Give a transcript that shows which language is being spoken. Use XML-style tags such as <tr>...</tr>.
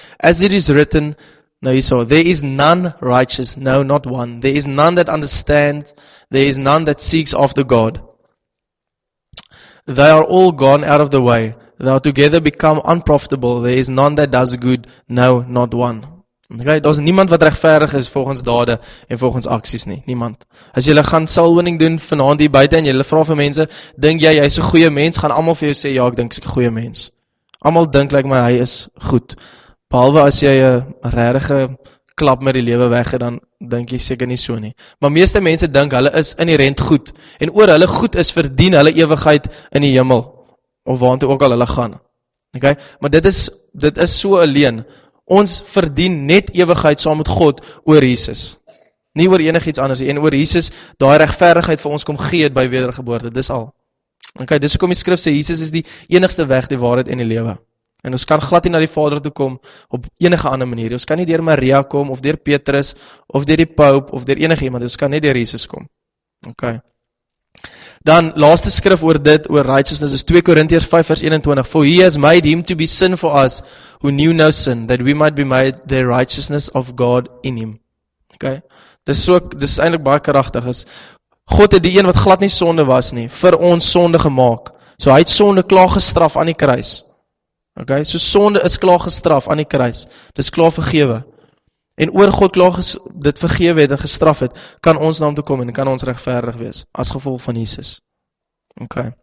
<en>As it is written, now you saw, there is none righteous, no, not one. There is none that understands, there is none that seeks after God. They are all gone out of the way. They are together become unprofitable. There is none that does good, no, not one.</en> <af>Okay, daar is niemand wat regverdig is volgens dade en volgens aksies nie, niemand. As julle gaan soul winning doen vanaand hier buite en julle vra vir mense, dink jy, jy is 'n goeie mens, gaan almal vir jou sê, ja, ek dink ek is 'n goeie mens. Almal dink, like my, hy is goed. Behalwe as jy 'n regte klap met die lewe weg het, dan dink jy seker nie so nie. Maar meeste mense dink hulle is inherent goed en oor hulle goed is verdien hulle ewigheid in die hemel of waartoe ook al hulle gaan. Okay? Maar dit is so 'n leuen. Ons verdien net ewigheid saam met God oor Jesus. Nie oor enigiets anders nie. En oor Jesus daai regverdigheid vir ons kom gee by wedergeboorte, dis al. Okay, dis hoekom die skrif sê Jesus is die enigste weg, die waarheid en die lewe. En ons kan glad nie na die Vader toe kom op enige ander manier. Ons kan nie deur Maria kom of deur Petrus of deur die Pope of deur enige iemand. Ons kan net deur Jesus kom. OK. Dan laaste skrif oor dit oor righteousness is 2 Korintiërs 5 vers 21.</af> <en>For he has made him to be sin for us who knew no sin that we might be made the righteousness of God in him. OK.</en> <af>Dis so dis eintlik baie kragtig is God het die een wat glad nie sonde was nie vir ons sonde gemaak. So hy het sonde klaar gestraf aan die kruis. OK, so sonde is klaar gestraf aan die kruis. Dis klaar vergewe. En oor God klaar dit vergewe het en gestraf het, kan ons na hom toe kom en kan ons regverdig wees as gevolg van Jesus. OK.</af>